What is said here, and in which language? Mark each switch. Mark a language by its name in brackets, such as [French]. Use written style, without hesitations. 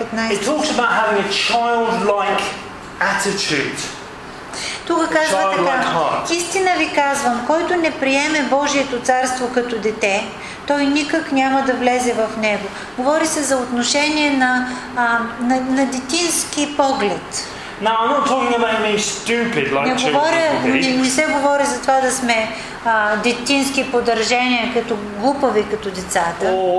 [English] It talks about having a childlike attitude. [Bulgarian] Тук казва така: истина ви казвам, който не приеме Божието царство като дете, той никак няма да влезе в него. Говори се за отношение на детински поглед. [English] Now I'm not talking about being stupid like children. [Bulgarian] Не се говори за това да сме детински подържения, като глупави като децата.